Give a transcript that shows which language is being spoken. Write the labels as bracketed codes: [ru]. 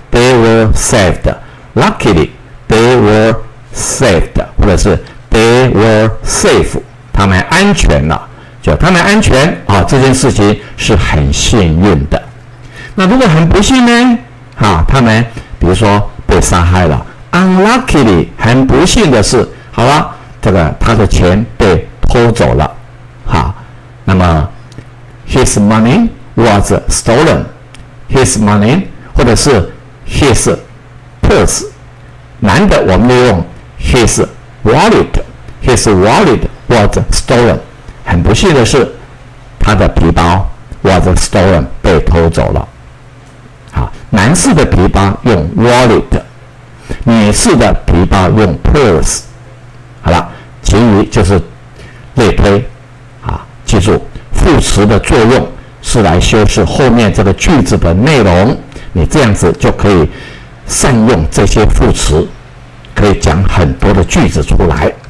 [en] They were saved. Luckily， they were saved， [zh] 或者是 [en] they were safe， [zh] 他们安全了，就他们安全啊，这件事情是很幸运的。那如果很不幸呢？哈，他们比如说被杀害了 ，unluckily 很不幸的是，好了，这个他的钱被偷走了，哈。那么 [en] his money was stolen， his money [zh] 或者是 [en] his purse， [zh] 男的我们就用 [en] his wallet， his wallet was stolen， [zh] 很不幸的是他的皮包 [en] was stolen [zh] 被偷走了。男士的皮包用 wallet， 女士的皮包用 purse。好了，其余就是类推。好，记住副词的作用是来修饰后面这个句子的内容，你这样子就可以善用这些副词，可以讲很多的句子出来。